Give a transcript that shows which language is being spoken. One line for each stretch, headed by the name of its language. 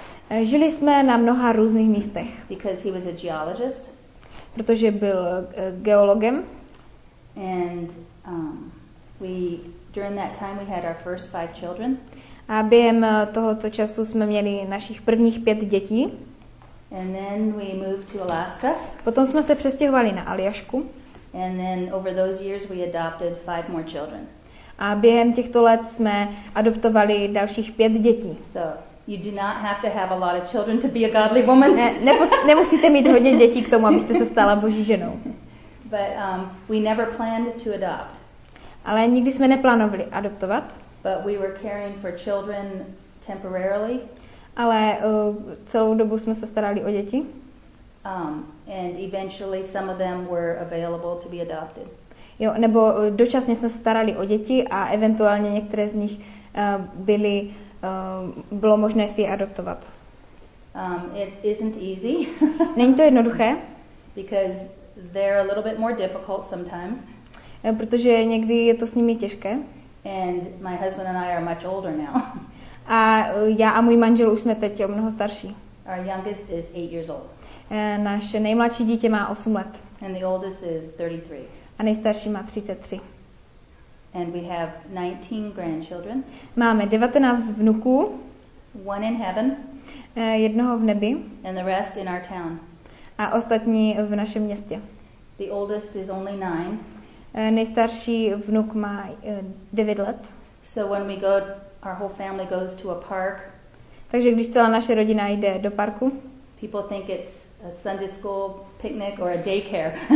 Czech: Žili jsme na mnoha různých místech.
English: Because he was a geologist.
Czech: Protože byl geologem.
English: And we during that time we had our first five children.
Czech: A během tohoto času jsme měli našich prvních pět dětí.
English: And then we moved to Alaska.
Czech: Potom jsme se přestěhovali na Aljašku.
English: And then over those years we adopted five more children.
Czech: A během těchto let jsme adoptovali dalších pět dětí.
English: So you do not have to have a lot of children to be a godly woman.
Czech: Nemusíte mít hodně dětí k tomu, abyste se stala Boží ženou.
English: But we never planned to adopt.
Czech: Ale nikdy jsme neplánovali adoptovat.
English: But we were caring for children temporarily.
Czech: Ale celou dobu jsme se starali o děti.
English: And eventually some of them were available to be adopted.
Czech: Jo, nebo dočasně jsme se starali o děti a eventuálně některé z nich byly bylo možné si je adoptovat.
English: It isn't easy.
Czech: Není to jednoduché.
English: Because they're a little bit more difficult sometimes.
Czech: Protože někdy je to s nimi těžké.
English: And my husband and I are much older now.
Czech: A já a můj manžel už jsme teď o mnoho starší.
English: Our youngest is 8 years old.
Czech: Naše nejmladší dítě má 8 let.
English: And the oldest is 33.
Czech: A nejstarší má 33.
English: And we have 19 grandchildren.
Czech: Máme 19 vnuků.
English: One in heaven.
Czech: Jednoho v nebi.
English: And the rest in our town.
Czech: A ostatní v našem městě.
English: The oldest is only 9.
Czech: Nejstarší vnuk má 9 let.
English: So when we go, our whole family goes to a park.
Czech: Takže když celá naše rodina jde do parku.
English: People think it's a Sunday school picnic or a daycare.